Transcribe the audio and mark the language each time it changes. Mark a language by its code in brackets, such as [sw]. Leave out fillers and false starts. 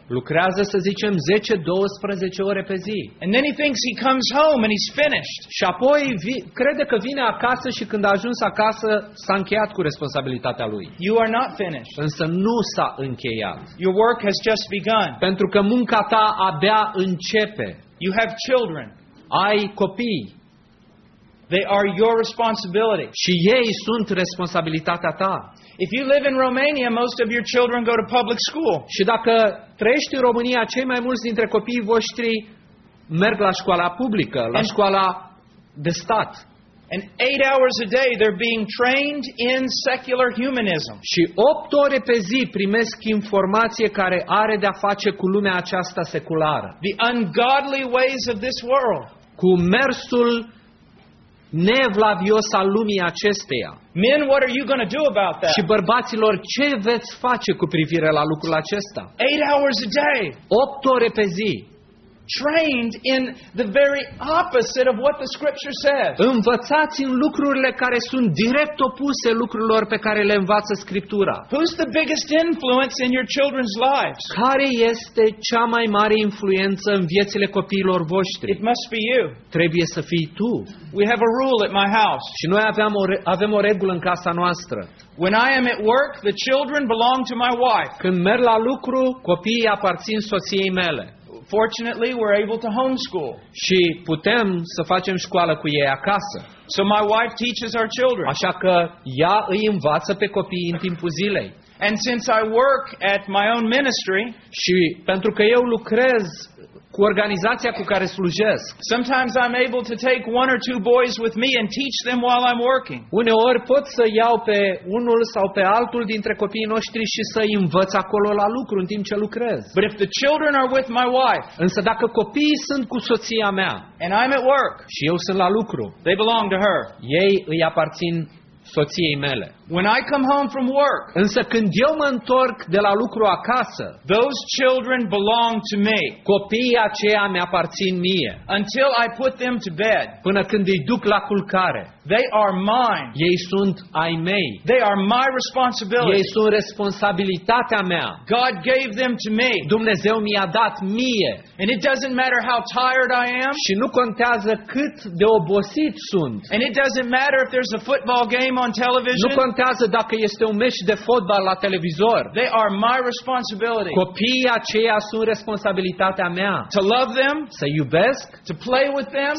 [ro] Lucrează, să zicem, 10-12 ore pe zi. [en] And then he thinks he comes home and he's finished. [ro] Și apoi crede că vine acasă și când a ajuns acasă s-a încheiat cu responsabilitatea lui. [en] You are not finished. [ro] Însă nu s-a încheiat. [en] Your work has just begun. [ro] Pentru că munca ta abia începe. [en] You have children. [ro] Ai copii. [en] They are your responsibility. [ro] Și ei sunt responsabilitatea ta. [en] If you live in Romania, most of your children go to public school. [ro] Și dacă trăiești în România, cei mai mulți dintre copiii voștri merg la școala publică, la școala de stat. [en] And 8 hours a day they're being trained in secular humanism. [ro] Și 8 ore pe zi primesc informație care are de-a face cu lumea aceasta seculară. [en] The ungodly ways of this world. [ro] Cu mersul nevlavios al lumii acesteia. [en] Men, what are you going to do about that? [ro] Și bărbaților, ce veți face cu privire la lucrul acesta? [en] 8 hours a day. [ro] 8 ore pe zi. [en] Trained in the very opposite of what the scripture says. [ro] Învățați în lucrurile care sunt direct opuse lucrurilor pe care le învață Scriptura. [en] Who's the biggest influence in your children's lives? [ro] Care este cea mai mare influență în viețile copiilor voștri? [en] It must be you. [ro] Trebuie să fii tu. [en] We have a rule at my house. [ro] Și noi avem o regulă în casa noastră. [en] When I am at work, the children belong to my wife. [ro] Când merg la lucru, copiii aparțin soției mele. [en] Fortunately, we're able to homeschool. [ro] Și putem să facem școală cu ei acasă. [en] So my wife teaches our children. [ro] Așa că ea îi învață pe copii în timpul zilei. [en] And since I work at my own ministry, [ro] și pentru că eu lucrez cu organizația cu care slujesc, [en] sometimes I'm able to take one or two boys with me and teach them while I'm working. [ro] Uneori pot să iau pe unul sau pe altul dintre copiii noștri și să îi învăț acolo la lucru în timp ce lucrez. [en] But if the children are with my wife, [ro] însă dacă copiii sunt cu soția mea, [en] and I'm at work, [ro] și eu sunt la lucru, [en] they belong to her. [ro] Ei îi aparțin soției mele. [en] When I come home from work, [ro] însă când eu mă întorc de la lucru acasă, [en] those children belong to me. [ro] Copiii aceia mi aparțin mie. [en] Until I put them to bed, [ro] până când îi duc la culcare, [en] they are mine. [ro] Ei sunt ai mei. [en] They are my responsibility. [ro] Ei sunt responsabilitatea mea. [en] God gave them to me. [ro] Dumnezeu mi-a dat mie. [en] And it doesn't matter how tired I am. [ro] Și nu contează cât de obosit sunt. [en] And it doesn't matter if there's a football game on television. [ro] Nu contează dacă este un meci de fotbal la televizor. [en] They are my responsibility. [ro] Copiii aceia sunt responsabilitatea mea. [en] To love them, [ro] să iubesc, [en] to play with them,